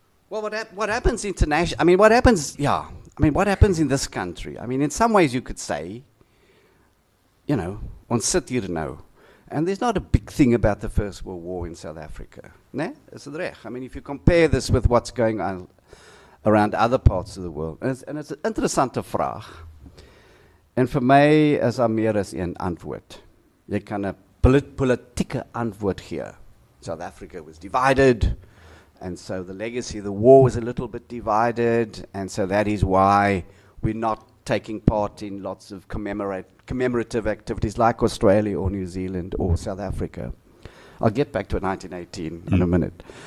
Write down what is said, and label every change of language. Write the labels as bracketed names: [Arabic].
[English] Well, what happens internationally? I mean, what happens, yeah. I mean, what happens in this country? I mean, in some ways you could say, you know, [Afrikaans] ons sit hier nou. [English] And there's not a big thing about the First World War in South Africa. [Afrikaans] Né? [English] Is it reg? I mean, if you compare this with what's going on around other parts of the world. And it's an [Afrikaans] interessante vraag. En vir my is daar meer as een antwoord. Jy kan 'n politieke antwoord gee. [English] South Africa was divided. And so the legacy of the war was a little bit divided. And so that is why we're not taking part in lots of commemorative activities like Australia or New Zealand or South Africa. I'll get back to 1918 in a minute.